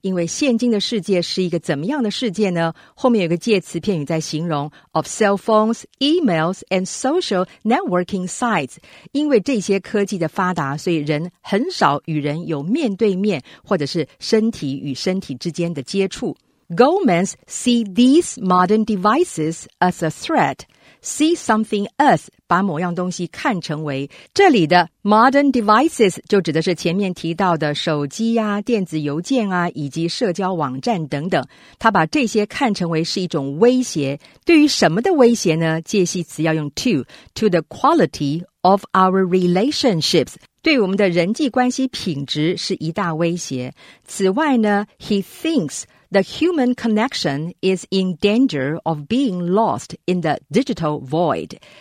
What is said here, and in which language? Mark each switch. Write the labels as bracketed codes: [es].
[zh] 因为现今的世界是一个怎么样的世界呢？后面有个介词片语在形容 [en] of cell phones, emails, and social networking sites. [zh] 因为这些科技的发达，所以人很少与人有面对面，或者是身体与身体之间的接触。 [en] Goldman see these modern devices as a threat. See something as, [zh] 把某样东西看成为。这里的 modern devices 就指的是前面提到的手机啊、电子邮件啊以及社交网站等等。他把这些看成为是一种威胁。对于什么的威胁呢？介系词要用 [en] to the quality of our relationships。 [zh] 对我们的人际关系品质是一大威胁。此外呢 [en] he thinks,The human connection is in danger of being lost in the digital void.